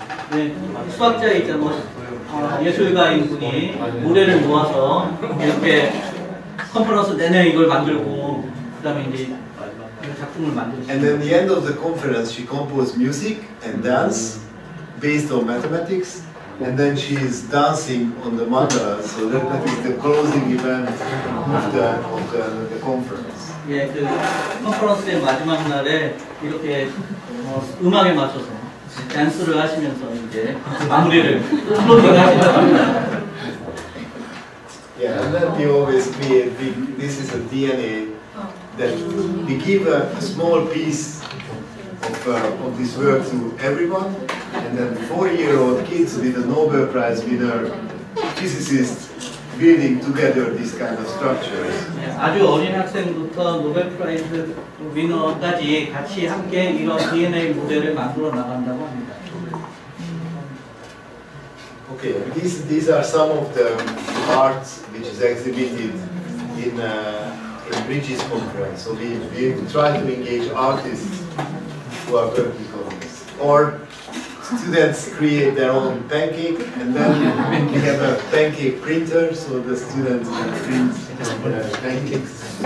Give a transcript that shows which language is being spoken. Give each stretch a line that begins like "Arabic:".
Korean: 네, 수학자이자 뭐, 예술가인 분이 모래를 모아서 이렇게 컨퍼런스 내내 이걸 만들고 그다음에 이제 작품을 만들었어요.
English: And then the end of the conference she composed music and dance based on mathematics. And then she is dancing on the mandala, so that is the closing event of the conference.
Korean: 예, 그 컨퍼런스의 마지막 날에 이렇게 음악에 맞춰서 댄스를 하시면서 이제 마무리를 클로징을 하신다고.
English: Yeah, and then we always create big. This is a DNA that we give a small piece of this work to everyone. And then 4-year-old kids with a Nobel Prize winner physicist building together these kind of structures.
Korean: 아주 어린 학생부터 노벨 프라이즈 위너까지 같이 함께 이런 DNA 모델을 만들어 나간다고 합니다.
English: Okay, these are some of the parts which is exhibited in Bridges Conference. So we try to engage artists who are working on this. Or students create their own pancake, and then we have a pancake printer, so the students can print pancakes.